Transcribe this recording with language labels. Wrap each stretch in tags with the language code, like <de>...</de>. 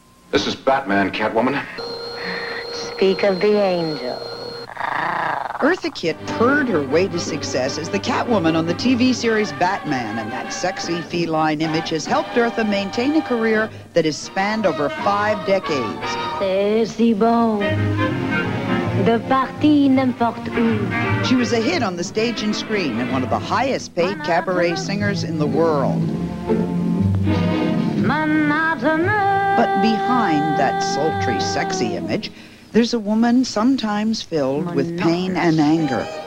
<en>This is Batman, Catwoman. Speak of the angel. Eartha Kitt purred her way to success as the Catwoman on the TV series Batman, and that sexy feline image has helped Eartha maintain a career that has spanned over five decades.</en> <fr>C'est si bon de partir n'importe où.</fr> <en>She was a hit on the stage and screen and one of the highest paid cabaret singers in the world. But behind that sultry, sexy image, there's a woman sometimes filled with pain and anger.</en>